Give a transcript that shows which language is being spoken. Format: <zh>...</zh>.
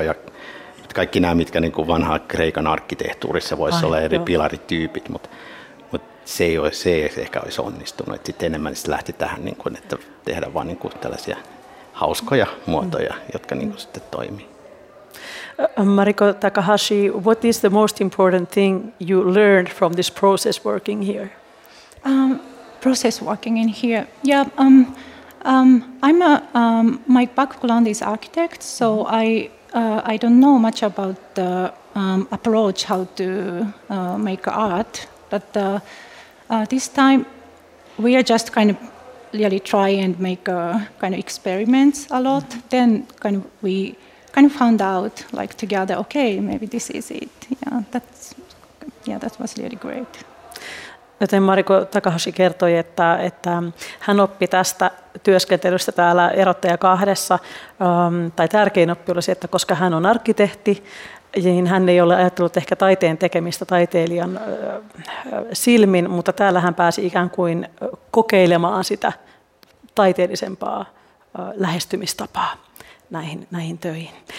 <fi>Ja kaikki nämä, mitkä niin kuin vanha Kreikan arkkitehtuurissa voisi olla eri pilarityypit. Mutta se ei olisi, se ehkä olisi onnistunut. Että sitten enemmän se lähti tähän, niin kuin, että tehdä vain niin kuin tällaisia hauskoja muotoja, jotka niin kuin sitten toimii.</fi> <en>Mariko Takahashi, what is the most important thing you learned from this process working here? Process working in here? Yeah, I'm a my background is architect, so I don't know much about the approach how to make art, but this time we are just kind of really try and make kind of experiments a lot. Mm-hmm. Then kind of we kind of found out, like, together, okay, maybe this is it. Yeah, that was really great.</en> <fi>Joten Mariko Takahashi kertoi, että hän oppi tästä työskentelystä täällä Erottaja kahdessa, tai tärkein oppi oli se, että koska hän on arkkitehti, niin hän ei ole ajatellut ehkä taiteen tekemistä taiteilijan silmin, mutta täällä hän pääsi ikään kuin kokeilemaan sitä taiteellisempaa lähestymistapaa näihin töihin.</fi>